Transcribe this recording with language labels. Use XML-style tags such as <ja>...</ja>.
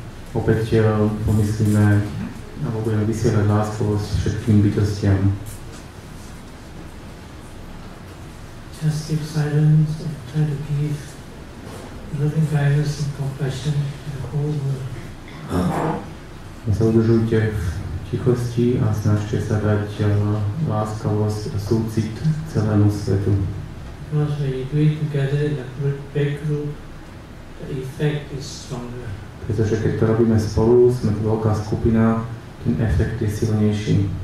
<sk>Opäť pomyslíme, alebo budeme vysielať lásku s všetkým bytostiam.</sk> <en>Just keep silence and try to give loving kindness and compassion to the whole world.</en> <sk>Sa udržujte v tichosti a snažte sa dať láskavosť a súcit celému svetu.</sk> <en>Because when you do it together in a big group, the effect is stronger.</en> <sk>Pretože keď to robíme spolu, sme to veľká skupina, ten efekt je silnejší.</sk>